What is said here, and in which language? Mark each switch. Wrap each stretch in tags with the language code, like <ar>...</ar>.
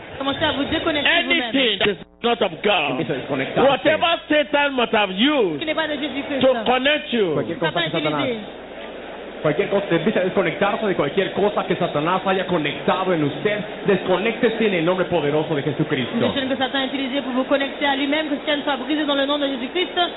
<en>Anything that is not of God, whatever Satan must have used to connect you,</en> <es>cualquier cosa que empiece a desconectarse de cualquier cosa que Satanás haya conectado en usted, desconéctese en el nombre poderoso de Jesucristo.</es> <fr>Mission que Satan a utilisé pour vous connecter à lui-même, que Satan soit brisé dans le nom de Jésus-Christ.</fr>